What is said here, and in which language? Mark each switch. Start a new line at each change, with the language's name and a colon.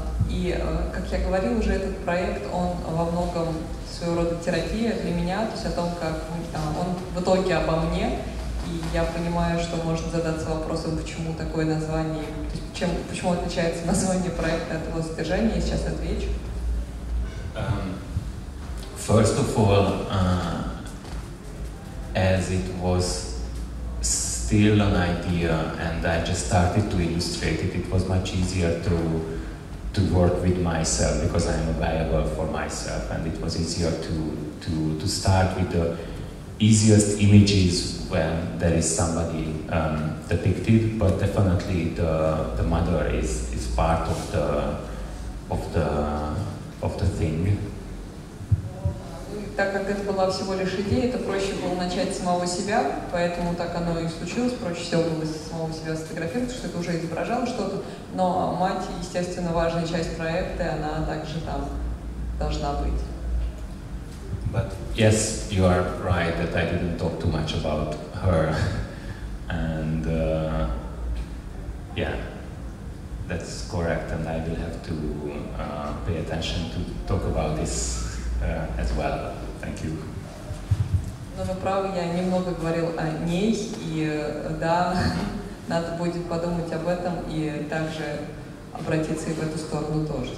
Russian: И как я говорил уже, этот проект, он во многом своего рода терапия для меня, то есть о том, как он в итоге обо мне. И я понимаю, что можно задаться вопросом, почему такое название, то есть почему отличается название проекта от его содержания. Я сейчас отвечу.
English: First of all, as it was still an idea and I just started to illustrate it, it was much easier to work with myself, because I am available for myself, and it was easier to start with the easiest images when there is somebody depicted. But definitely the mother is part of the thing.
Russian: Так как это была всего лишь идея, это проще было начать с самого себя, поэтому так оно и случилось, проще всего было с самого себя сфотографировать, потому что это уже изображало что-то, но мать, естественно, важная часть проекта, и она также там должна быть.
English: But yes, you are right that I didn't talk too much about her, and yeah, that's correct, and I will have to pay attention to talk about this as well. Thank you.
Russian: Но вы правы, я немного говорил о ней, и да, надо будет подумать об этом и также обратиться и в эту сторону тоже.